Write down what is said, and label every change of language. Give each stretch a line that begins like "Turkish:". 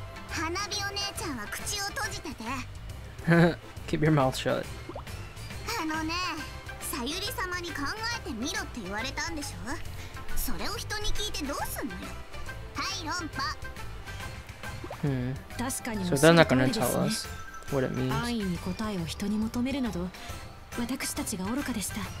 Japanese: 花火お姉ちゃんは口を閉じてて。
English: Keep your mouth shut.
Japanese: あのね、さゆり様に考えてみろって言われたんでしょ。それを人に聞いてどうすんのよ。はい、論破。確かに。
English: So they're not gonna tell us what it means.
Japanese: 安易に答えを人に求めるなど、私たちが愚かでした。